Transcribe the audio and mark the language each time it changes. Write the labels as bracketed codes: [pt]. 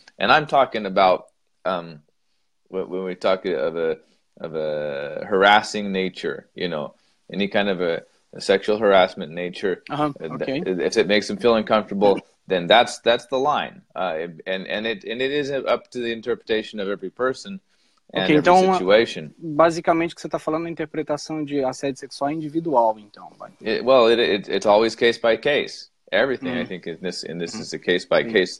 [en] And I'm talking about when we talk of a harassing nature, you know, any kind of a sexual harassment nature. If it makes them feel uncomfortable, then that's the line. And it is up to the interpretation of every person. [pt] Ok, então, basicamente, o que você está falando é a interpretação de assédio sexual individual, então. [en] It's always case by case. Everything, I think, in this is a case by case.